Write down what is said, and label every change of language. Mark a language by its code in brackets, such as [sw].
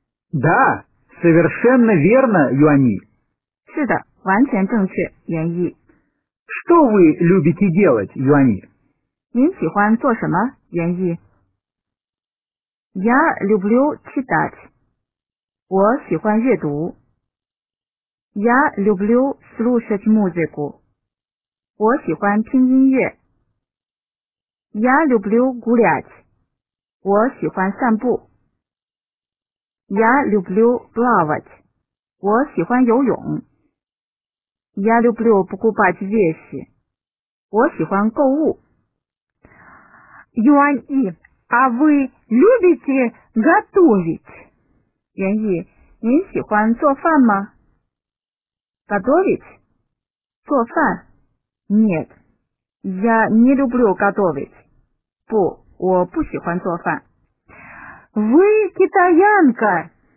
[ru] Да, совершенно верно, Юань-И. [zh] 是的, 完全正确, Юань-И. [ru] Что вы любите делать, Юань-И? [zh] 您喜欢做什么, Юань-И? [ru] Я люблю читать. [zh] 我喜欢阅读. [ru] Я люблю слушать музыку. [zh] 我喜欢听音乐. [ru] Я люблю гулять. [zh] 我喜欢散步. [ru] Я люблю плавать. [zh] 我喜欢游泳. [ru] Я люблю покупать вещи. [zh] 我喜欢购物. [ru] Юань-И, а вы любите готовить? [zh] Юань-И, 您喜欢做饭吗? [ru] Готовить? [zh] 做饭? [ru] Нет. Я не люблю готовить. [zh] 不, 我不喜欢做饭. [ru] Вы китаянка.